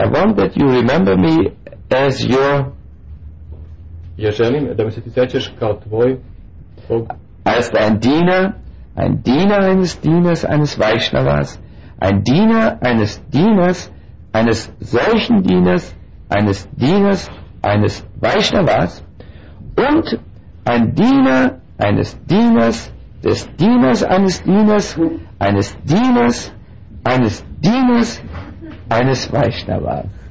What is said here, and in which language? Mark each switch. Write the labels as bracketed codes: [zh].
[en] I want that you remember me as your. [sr] Ja želim da me se ti sećaš kao tvoj. [de] As ein Diener, ein Diener eines Dieners eines Vaishnavas, ein Diener eines Dieners eines solchen Dieners eines Dieners eines Vaishnavas und ein Diener eines Dieners des Dieners eines Dieners eines Dieners eines Dieners eines Vaishnavas.